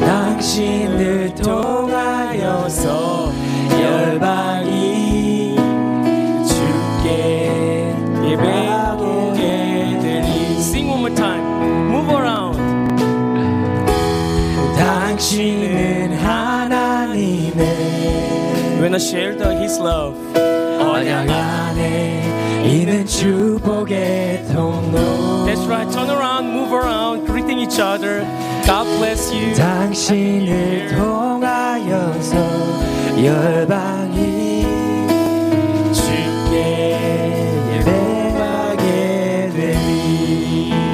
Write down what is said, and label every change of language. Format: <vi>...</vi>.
<ko>당신을 통하여서 열방이 주께 예배하게 되니</ko> <en>Sing one more time Move around</en> <ko>당신은 하나님의</ko> <en>We're gonna share the, His love</en> <ko>언약 안에 이는 축복의 통로</ko> <en>That's right, turn around, move around, greeting each other. God bless you.</en> <ko>당신을 통하여서 열방이 주께 예배하게 되니</ko>